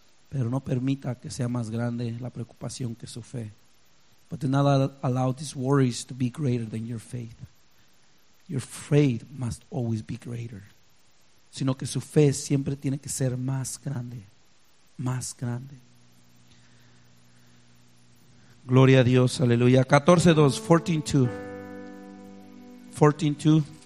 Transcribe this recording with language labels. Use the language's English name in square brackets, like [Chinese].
[Spanish] Pero no permita que sea más grande la preocupación que su fe. [English] But do not allow these worries to be greater than your faith. Your faith must always be greater. [Spanish] Sino que su fe siempre tiene que ser más grande. Más grande. Gloria a Dios, aleluya. 14:2. 14:2.